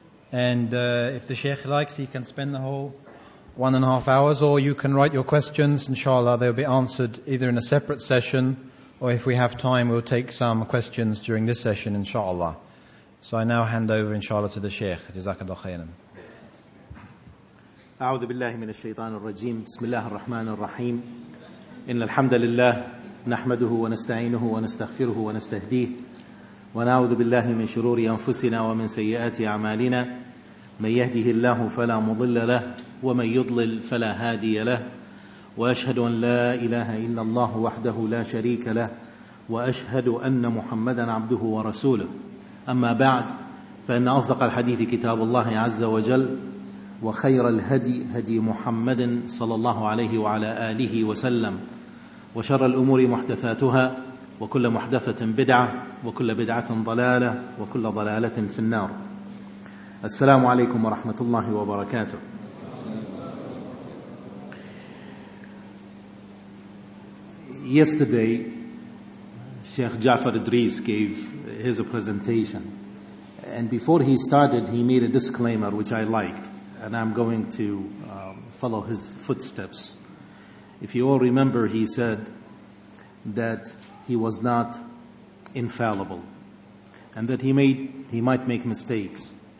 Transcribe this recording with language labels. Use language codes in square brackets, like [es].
[en] And if the Sheikh likes, he can spend the whole 1.5 hours, or you can write your questions, inshallah, they'll be answered either in a separate session, or if we have time, we'll take some questions during this session, inshallah. So I now hand over, inshallah, to the Sheikh. Jazakallah khairan. [ar] أعوذ بالله من الشيطان الرجيم بسم الله الرحمن الرحيم إن الحمد لله نحمده ونستعينه ونستغفره ونستهديه ونعوذ بالله من شرور أنفسنا ومن سيئات أعمالنا من يهده الله فلا مضل له ومن يضلل فلا هادي له وأشهد أن لا إله إلا الله وحده لا شريك له وأشهد أن محمدا عبده ورسوله أما بعد فإن أصدق الحديث كتاب الله عز وجل وخير الهدي هدي محمد صلى الله عليه وعلى آله وسلم وشر الأمور محدثاتها وكل محدثة بدعة وكل بدعة ضلالة وكل ضلالة في النار السلام عليكم ورحمة الله وبركاته [en] Yesterday, Sheikh Jafar Idris gave his presentation. And before he started, he made a disclaimer, which I liked. And I'm going to follow his footsteps. If you all remember, he said that he was not infallible and that he might make mistakes.